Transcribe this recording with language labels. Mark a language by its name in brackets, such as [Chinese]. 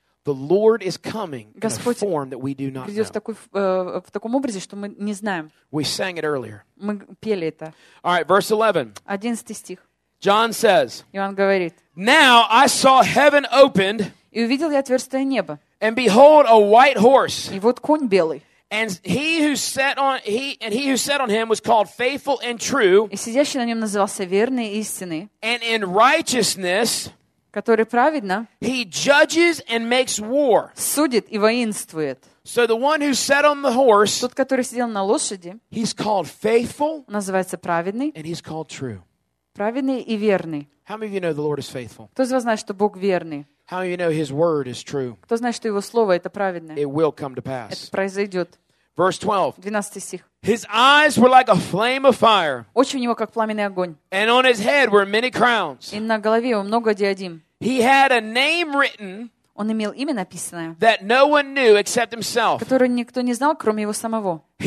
[English] The Lord is coming Господь in a form that we do not know. [Russian] Придет в таком образе, что мы не знаем. [English] We sang it earlier. [Russian] Мы пели это. [English] All right, verse 11. [Russian] 11 стих. [English] John says, [Russian] Иоанн говорит, [English] Now I saw heaven opened, [Russian] и увидел я отверстие неба, [English] and behold, a white horse. [Russian] И вот конь белый. [English] And he who sat on him was called faithful and true. [Russian] И сидящий на нем назывался верный и истинный. [English] And in righteousness, [Russian] который праведно, [English] he judges and makes war. [Russian] Судит и воинствует. [English] So the one who sat on the horse, [Russian] тот, который сидел на лошади, [English] he's called faithful, [Russian] называется праведный, [English] and he's called true. [Russian] Праведный и верный. [English] How many of you know the Lord is faithful? [Russian] Кто из вас знает, что Бог верный? [English] How many of you know His word is true? [Russian] Кто знает, что Его слово это праведное? [English] It will come to pass. [Russian] Это произойдет. [English] Verse 12. [Russian] 12 стих. [English] His eyes were like a flame of fire. [Russian] Очи у него как пламенный огонь. [English] And on his head were many crowns. [Russian] И на голове у него много диадим. [English] He had a name written. [Russian] Он имел имя написанное. [English] That no one knew except himself. [Russian] Которое никто не знал, кроме его самого.